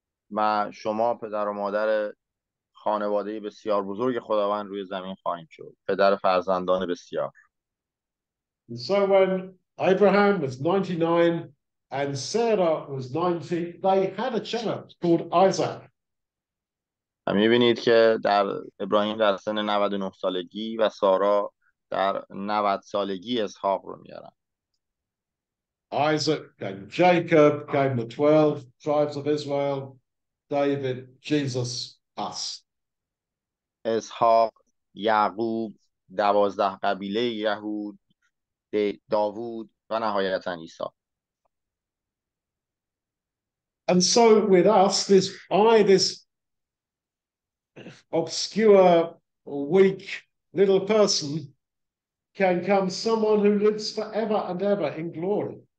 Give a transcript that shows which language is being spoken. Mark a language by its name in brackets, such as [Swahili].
[Persian] ما شما پدر و مادر خانواده بسیار بزرگ خداوند روی زمین خواهیم شد. پدر فرزندان بسیار. [English] And so when Abraham was 99 and Sarah was 90, they had a child called Isaac. [Persian] می‌بینید که در ابراهیم در سن 99 سالگی و سارا در 90 سالگی اسحاق رو میارن. [English] Isaac and Jacob came the 12 tribes of Israel, David, Jesus, us. [Persian] اسحاق، یعقوب، 12 قبیله یهود، داوود و نهایتاً عیسی. [English] And so with us, this I, this obscure, weak little person, can come someone who lives forever and ever in glory.